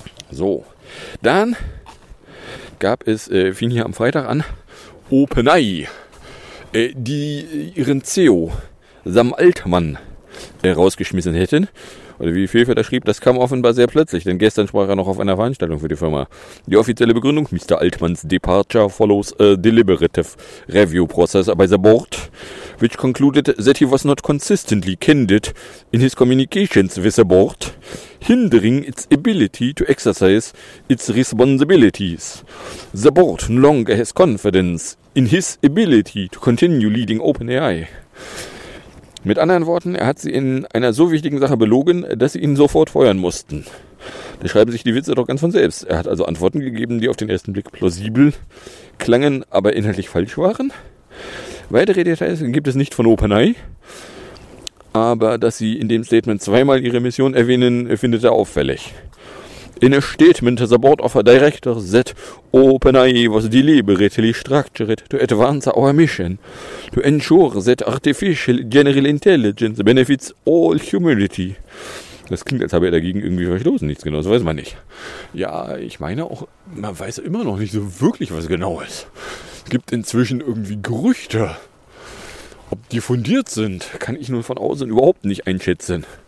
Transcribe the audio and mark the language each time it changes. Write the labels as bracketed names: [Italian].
[German] So, dann gab es, fing hier am Freitag an, OpenAI, die ihren CEO, Sam Altman, rausgeschmissen hätten. Oder wie Pfeiffer da schrieb, das kam offenbar sehr plötzlich, denn gestern sprach er noch auf einer Veranstaltung für die Firma. Die offizielle Begründung, Mr. [English] Altmans departure follows a deliberative review process by the board, which concluded that he was not consistently candid in his communications with the board, hindering its ability to exercise its responsibilities. The board no longer has confidence in his ability to continue leading OpenAI. [German] Mit anderen Worten, er hat sie in einer so wichtigen Sache belogen, dass sie ihn sofort feuern mussten. Da schreiben sich die Witze doch ganz von selbst. Er hat also Antworten gegeben, die auf den ersten Blick plausibel klangen, aber inhaltlich falsch waren. Weitere Details gibt es nicht von OpenAI, aber dass sie in dem Statement zweimal ihre Mission erwähnen, findet er auffällig. [English] In a statement, the board of directors said OpenAI was deliberately structured to advance our mission to ensure that artificial general intelligence benefits all humanity. [German] Das klingt, als habe er dagegen irgendwie verstoßen. Nichts Genaues, weiß man nicht. Ja, ich meine auch, man weiß immer noch nicht so wirklich, was genau ist. Es gibt inzwischen irgendwie Gerüchte. Ob die fundiert sind, kann ich nur von außen überhaupt nicht einschätzen.